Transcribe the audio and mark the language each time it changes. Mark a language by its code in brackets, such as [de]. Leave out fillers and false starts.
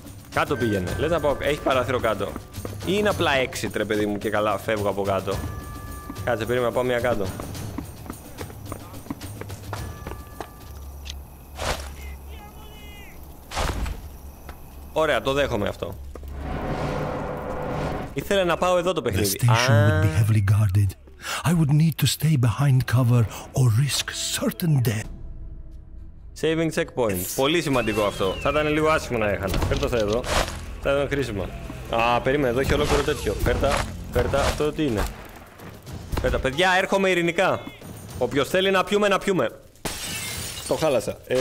[el] Κάτω πήγαινε, λες να πω, έχει παράθυρο κάτω. Ή είναι απλά exit ρε παιδί μου και καλά φεύγω από κάτω. Κάτσε περίμενα, πάω μια κάτω. Ωραία, το δέχομαι αυτό. Ήθελα να πάω εδώ το παιχνίδι. [en] The station would be heavily guarded. I would need to stay behind cover or risk certain death. Saving checkpoint. [el] Πολύ σημαντικό αυτό. Θα ήταν λίγο άσχημο να έχανα. Φέρτα θα εδώ. Θα ήταν χρήσιμο. Α, περίμενε, εδώ έχει ολόκληρο τέτοιο. Φέρτα, αυτό τι είναι. Φέρτα, παιδιά, έρχομαι ειρηνικά. Όποιος θέλει να πιούμε, να πιούμε. Το χάλασα.